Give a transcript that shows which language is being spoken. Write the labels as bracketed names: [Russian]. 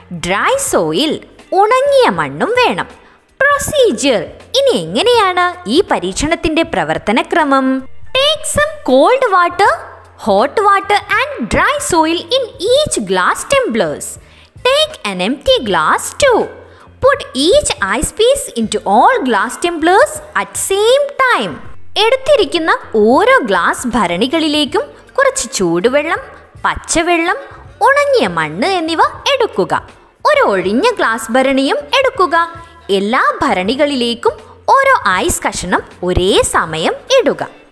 [Malayalam] Dry soil, ഉണങ്ങിയ മണ്ണും വേണം. പ്രൊസീജിയർ, ഇനി എങ്ങനെയാണ് ഈ പരീക്ഷണത്തിന്റെ പ്രവർത്തനക്രമം? [English] Take some cold water, hot water and dry soil in each glass tumblers. Take an empty glass too. Put each ice piece into all glass tumblers at same time. [Malayalam] എടുത്തിരിക്കുന്ന ഓരോ glass ഭരണികളിലേക്കും കുറച്ച് ചൂടുവെള്ളം, പച്ചവെള്ളം, ഉണങ്ങിയ മണ്ണ് എന്നിവ എടുക്കുക. ഒരു ഒഴിഞ്ഞ ഗ്ലാസ് ഭരണിയും എടുക്കുക. എല്ലാ ഭരണികളിലേക്കും ഓരോ ഐസ് കഷണം ഒരേ സമയം ഇടുക.